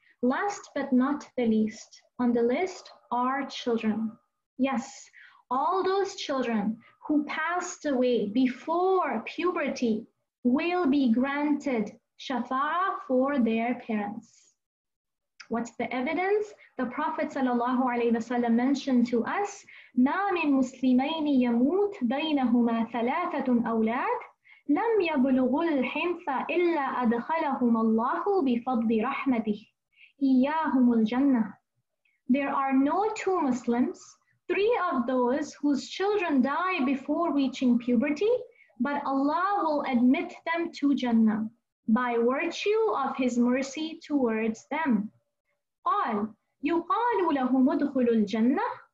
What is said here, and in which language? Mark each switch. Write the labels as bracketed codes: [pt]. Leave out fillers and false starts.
[en] Last but not the least on the list are children. Yes, all those children who passed away before puberty will be granted shafa'a for their parents. What's the evidence? The Prophet sallallahu alaihi wasallam mentioned to us, [ar] مَا مِن مُسْلِمَيْنِ يَمُوتْ بَيْنَهُمَا ثَلَاثَةٌ أَوْلَادٌ لَمْ يَبْلُغُ الْحِنْثَ إِلَّا أَدْخَلَهُمَ اللَّهُ بِفَضْلِ رَحْمَتِهِ إِيَّاهُمُ الْجَنَّةِ. [en] There are no two Muslims, three of those whose children die before reaching puberty, but Allah will admit them to Jannah by virtue of His mercy towards them. [ar] قَالْ يُقَالُ لَهُمُ ادْخُلُوا الْجَنَّةِ.